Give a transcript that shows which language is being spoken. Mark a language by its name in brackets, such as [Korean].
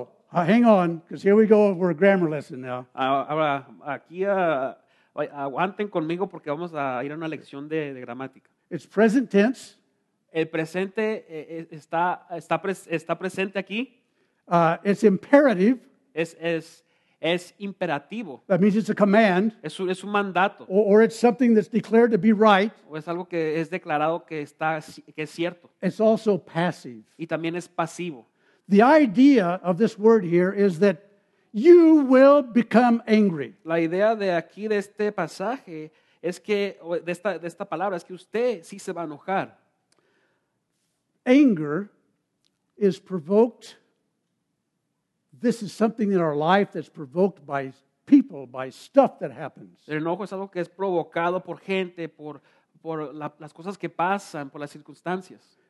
[English] Hang on, because here we go, we're a grammar lesson now. [Spanish] Ahora, aquí, aguanten conmigo porque vamos a ir a una lección de gramática. [English] It's present tense. [Spanish] El presente está presente aquí. [English] It's imperative. [Spanish] Es es imperativo. [English] That means it's a command. [Spanish] Es un mandato. [English] Or it's something that's declared to be right. [Spanish] O es algo que es declarado que está, que es cierto. [English] It's also passive. [Spanish] Y también es pasivo. [English] The idea of this word here is that you will become angry. [Spanish] La idea de aquí de este pasaje es que de esta palabra es que usted sí se va a enojar. [English] Anger is provoked. This is something in our life that's provoked by people, by stuff that happens. [Spanish] El enojo es algo que es provocado por gente, por las cosas que pasan, por las circunstancias.